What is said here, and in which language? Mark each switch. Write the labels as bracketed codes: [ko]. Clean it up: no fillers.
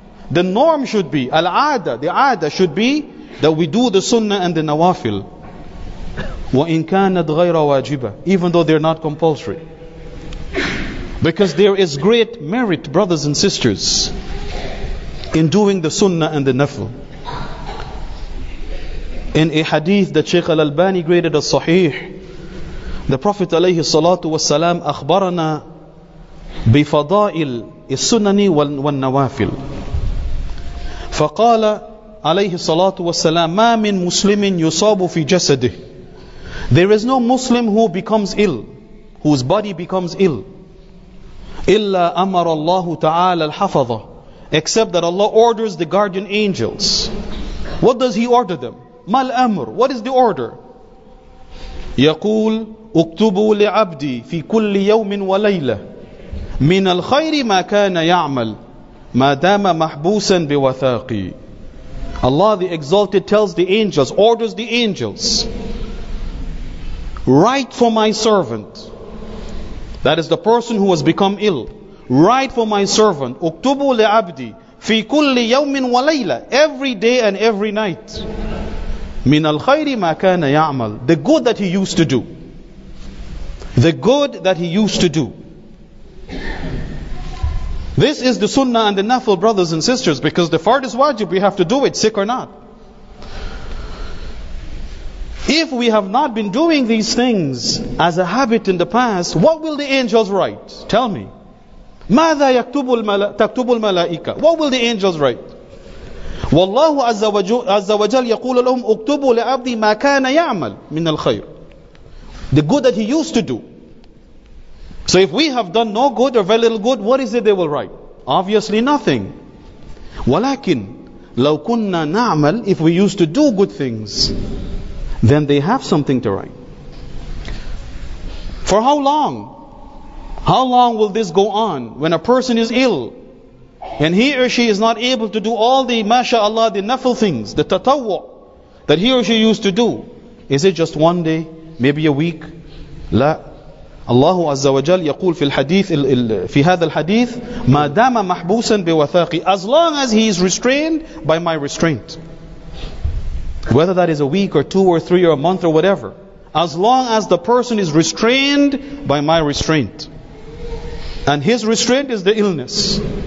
[en] The norm should be, al-'ada, the 'ada should be that we do the sunnah and the nawafil. [ar] وَإِن كَانَتْ غَيْرَ وَاجِبًا. [en] Even though they're not compulsory. Because there is great merit, brothers and sisters, in doing the sunnah and the nafl. In a hadith that Shaykh al-Albani graded as sahih, the Prophet [ar] عليه الصلاة والسلام أخبرنا بفضائل السنن والنوافل فقال عليه الصلاة والسلام ما من مسلم يصاب في جسده. [en] There is no Muslim who becomes ill, whose body becomes ill, [ar] إلا أمر الله تعالى الحفظة, [en] except that Allah orders the guardian angels. What does He order them? [ar] ما الأمر? [en] What is the order? [ar] يقول اكتبوا لعبدي في كل يوم وليلة من الخير ما كان يعمل ما دام محبوسا بوثاقي. [en] Allah the Exalted tells the angels, orders the angels, write for my servant, that is the person who has become ill, write for my servant, [ar] اكتبوا لعبدي في كل يوم وليلة, [en] every day and every night, [ar] من الخير ما كان يعمل, [en] the good that he used to do. The good that he used to do. This is the sunnah and the nafl, brothers and sisters, because the fard is wajib, we have to do it, sick or not. If we have not been doing these things as a habit in the past, what will the angels write? Tell me. [ar] ماذا تكتب الملائكة? [en] What will the angels write? [ar] والله عز وجل يقول لهم اكتبوا لعبدي ما كان يعمل من الخير. [en] The good that he used to do. So if we have done no good or very little good, what is it they will write? Obviously nothing. [ar] ولكن لو كنا نعمل, [en] if we used to do good things, then they have something to write. For how long? How long will this go on when a person is ill? And he or she is not able to do all the mashallah, the nafl things, the tatawwu that he or she used to do. Is it just one day? Maybe a week? [ar] لا. الله عز وجل يقول في الحديث في هذا الحديث ما دام محبوسا بوثاقي. [en] As long as he is restrained by my restraint. Whether that is a week or two or three or a month or whatever. As long as the person is restrained by my restraint. And his restraint is the illness.